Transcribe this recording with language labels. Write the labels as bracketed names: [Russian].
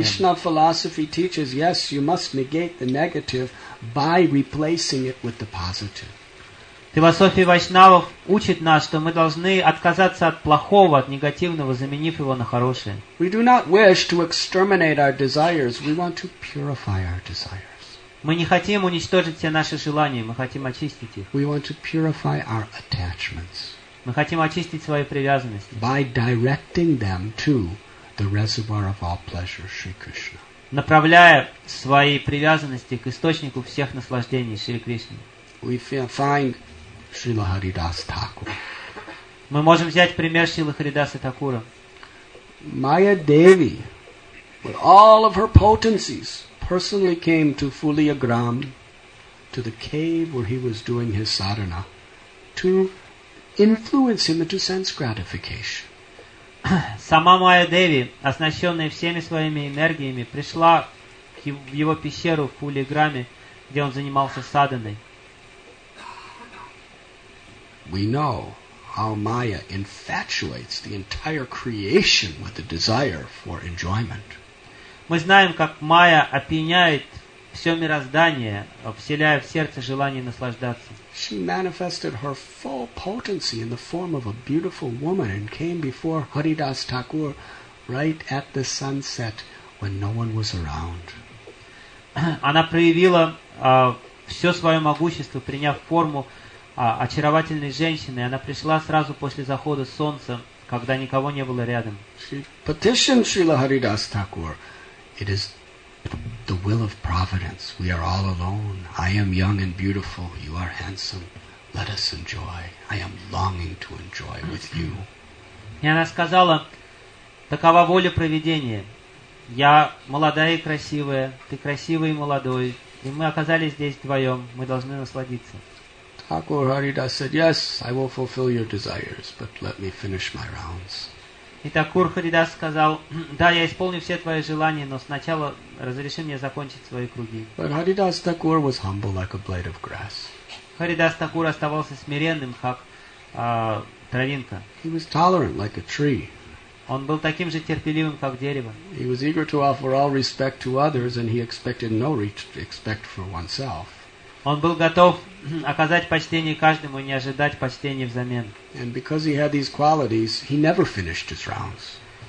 [English] Vaishnava philosophy teaches, yes, you must negate the negative by replacing it with the positive. [Russian] Философия вайшнавов учит нас, что мы должны отказаться от плохого, от негативного, заменив его на хорошее. [English] We do not wish to exterminate our desires. We want to purify our desires. [Russian] Мы не хотим уничтожить все наши желания, мы хотим очистить их. [English] We want to purify our attachments. [Russian] Мы хотим очистить свои привязанности. [English] By directing them to the reservoir of all pleasure, Шри Кришна. [Russian] Направляя свои привязанности к источнику всех наслаждений, Шри Кришне. [English] We find Srila Haridas Thakur. [Russian] Мы можем взять пример Шрилы Харидаса Такура. [English] Maya Devi, with all of her potencies, personally came to Fuliagram, to the cave where he was doing his sadhana, to influence him into sense gratification. [Russian] Сама Maya Devi, оснащенная всеми своими энергиями, пришла в его пещеру в Фулиграме, где он занимался садханой. [English] We know how Maya infatuates the entire creation with the desire for enjoyment. [Russian] Мы знаем, как Майя опьяняет все мироздание, вселяя в сердце желание наслаждаться. [English] She manifested her full potency in the form of a beautiful woman and came before Haridas Thakur right at the sunset when no one was around. [Russian] Она проявила все свое могущество, приняв форму очаровательной женщиной. Она пришла сразу после захода солнца, когда никого не было рядом. [English] She petitioned Srila Haridas Thakur. It is the will of providence. We are all alone. I am young and beautiful. You are handsome. Let us enjoy. I am longing to enjoy with you. [Russian] И она сказала, такова воля провидения. Я молодая и красивая. Ты красивый и молодой. И мы оказались здесь вдвоем. Мы должны насладиться. [English] Thakur Haridas said, "Yes, I will fulfill your desires, but let me finish my rounds." [Russian] И Такур Харидас сказал, "Да, я исполню все твои желания, но сначала разреши мне закончить свои круги." [English] But Haridas Thakur was humble like a blade of grass. [Russian] Харидас Такур оставался смиренным, как травинка. [English] He was tolerant like a tree. [Russian] Он был таким же терпеливым, как дерево. [English] He was eager to offer all respect to others, and he expected no respect for oneself. [Russian] Он был готов оказать почтение каждому и не ожидать почтения взамен. [English] And because he had these qualities, he never finished his rounds.